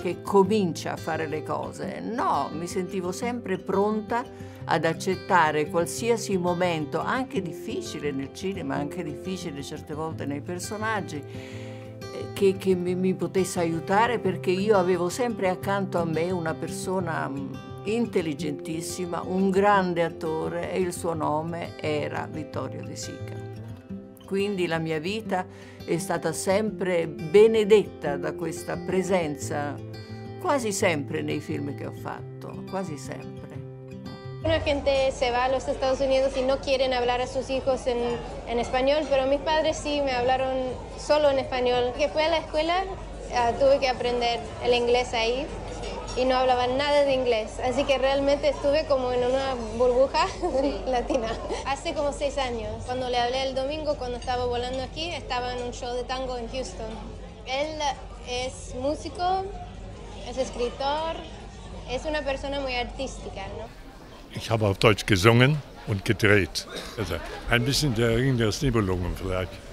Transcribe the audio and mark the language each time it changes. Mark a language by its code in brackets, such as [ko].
[it] Che comincia a fare le cose? No, mi sentivo sempre pronta ad accettare qualsiasi momento, anche difficile nel cinema, anche difficile certe volte nei personaggi, che mi potesse aiutare, perché io avevo sempre accanto a me una persona intelligentissima, un grande attore, e il suo nome era Vittorio De Sica. Quindi la mia vita è stata sempre benedetta da questa presenza, quasi sempre nei film che ho fatto, quasi sempre. [es] Una gente se va a los Estados Unidos y no quieren hablar a sus hijos en español, pero mis padres sí me hablaron solo en español. Que fui a la escuela, tuve que aprender el inglés ahí y no hablaba nada de inglés. Así que realmente estuve como en una burbuja latina. Hace como 6 años, cuando le hablé el domingo, cuando estaba volando aquí, estaba en un show de tango en Houston. Él es músico, es escritor, es una persona muy artística, ¿no? [de] Ich habe auf Deutsch gesungen und gedreht. Also ein bisschen der Ring der Nibelungen vielleicht.